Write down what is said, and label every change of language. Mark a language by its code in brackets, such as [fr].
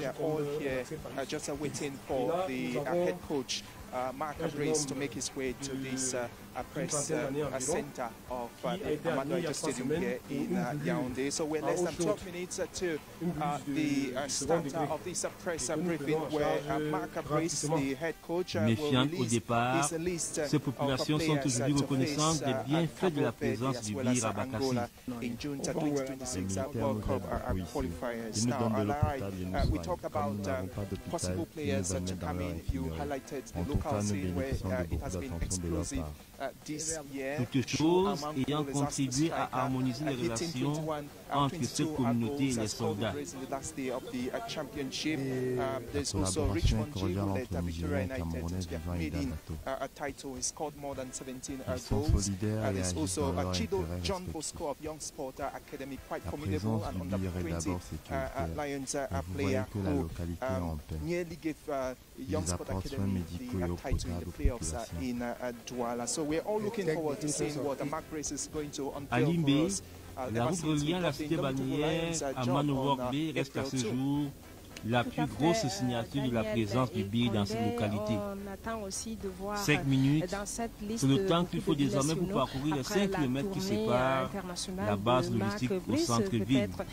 [en] They're all here just waiting for the head coach, Marc Brice, to make his way to this press center of Amadou Stadium here in Yaoundé. So we're less than 12 minutes to the start of this press briefing where Marc Brice, the head coach, will release. [fr] Ces populations sont aujourd'hui reconnaissantes des bienfaits de la présence du BIR à Bakassi. Les militaires nous aident beaucoup ici. Ils nous donnent de l'eau potable et nous soignent. Comme nous n'avons pas d'hôpital, ils nous amènent dans leur infirmerie. En tout cas, nous bénéficions de beaucoup d'attention de leur part. Toutes choses ayant contribué à harmoniser les relations entre cette communauté et les soldats. La collaboration est cordiale entre les Nigériens et Camerounais vivant à Idanato. Ils sont solidaires et agissent dans leur intérêt respectif. La présence du BIR est d'abord sécuritaire et vous voyez que la localité est en paix. Ils apportent soins médicaux et eau potable aux populations. [en] We're all looking forward to seeing what Marc Brice is going to unveil. [fr] Alimbe, la route reliant la cité balnéaire à Manowok Bay reste à ce jour la plus grosse signature de la présence du BIR dans cette localité. Cinq minutes, c'est le temps qu'il faut désormais pour parcourir les 5 km qui séparent la base logistique au centre-ville.